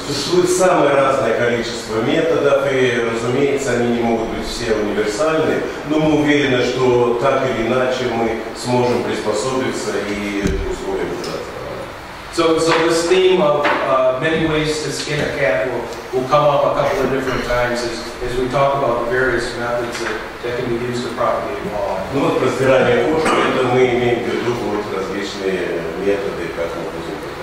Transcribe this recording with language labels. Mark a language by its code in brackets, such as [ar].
[ru] Существует самое разное количество методов, и, разумеется, они не могут быть все универсальны, но мы уверены, что так или иначе мы сможем приспособиться и условиям задаться. [en] So this theme of many ways to skin a cat will come up a couple of different times as we talk about the various methods that can be used to propagate walleye. [ru] Ну вот про сбирание кошки, это мы имеем в виду вот различные методы, как мы будем